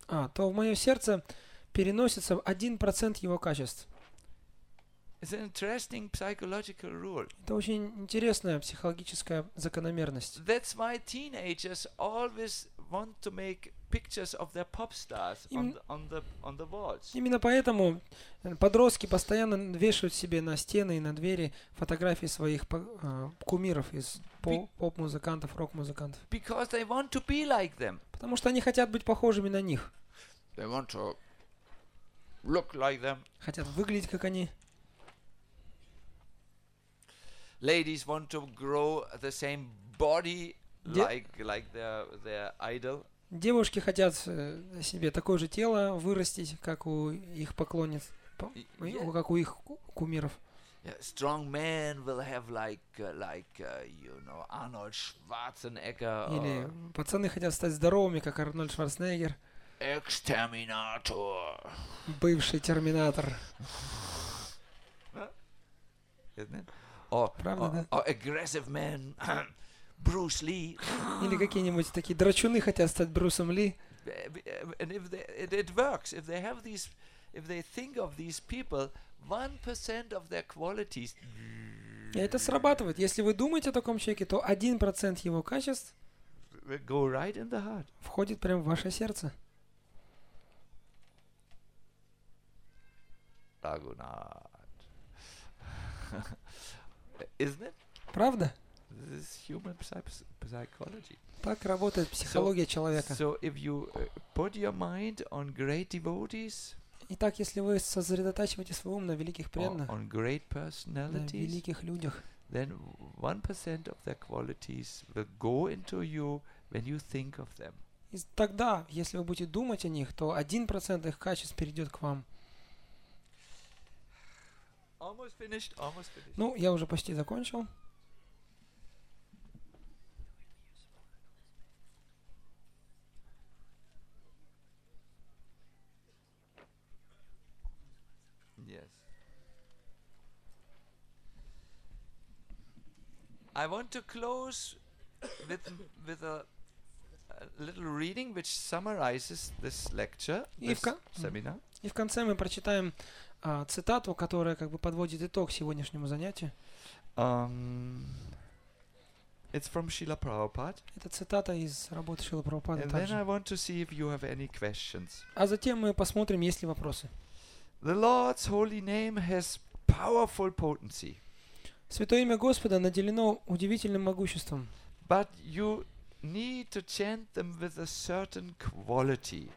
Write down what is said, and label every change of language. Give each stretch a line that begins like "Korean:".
Russian: А, то в мое сердце переносится 1% его качеств.
English: It's an interesting psychological rule.
Russian: Это очень интересная психологическая закономерность.
English: That's why teenagers always want to make pictures of their pop stars on the walls.
Russian: Именно поэтому подростки постоянно вешают себе на стены и на двери фотографии своих кумиров из поп-музыкантов, рок-музыкантов.
English: Because they want to be like them.
Russian: Потому что они хотят быть похожими на них.
English: They want to look like them.
Russian: Хотят выглядеть как они.
English: Ladies want to grow the same body like their idol.
Russian: Девушки хотят себе такое же тело вырастить, как у их поклонниц, как у их кумиров.
English: Strong men will have like Arnold Schwarzenegger.
Russian: Или пацаны хотят стать здоровыми, как Арнольд Шварценеггер.
English: Exterminator.
Russian: Бывший терминатор.
English: Or aggressive man, Bruce Lee.
Russian: Или какие-нибудь такие драчуны хотят стать Брюсом Ли.
English: And if it works, if they have these, if they think of these people, 1% of their qualities.
Russian: И это срабатывает. Если вы думаете о таком человеке, то 1% его качеств
English: go right in the heart.
Russian: Входит прямо в ваше сердце. Рагунат.
English: Isn't it?
Russian: Правда?
English: This is human psychology.
Russian: Так работает психология человека.
English: So if you put your mind on great devotees.
Russian: Итак, если вы сосредотачиваете свой ум на великих преданных,
English: on great personalities,
Russian: на великих людях,
English: then 1% of their qualities will go into you when you think of them.
Russian: И тогда, если вы будете думать о них, то 1% их качеств перейдет к вам.
English: Almost finished.
Russian: Ну, я уже почти закончил.
English: Yes. I want to close with a little reading which summarizes this lecture, seminar.
Russian: И в конце мы прочитаем цитату, которая как бы подводит итог сегодняшнему занятию.
English: It's from Srila Prabhupada.
Russian: Это цитата из работы Шрилы Прабхупады.
English: And then I want to see if you have any questions.
Russian: А затем мы посмотрим, есть ли вопросы.
English: The Lord's holy name has powerful potency.
Russian: Святое имя Господа наделено удивительным могуществом.
English: But you need to chant them with a certain quality.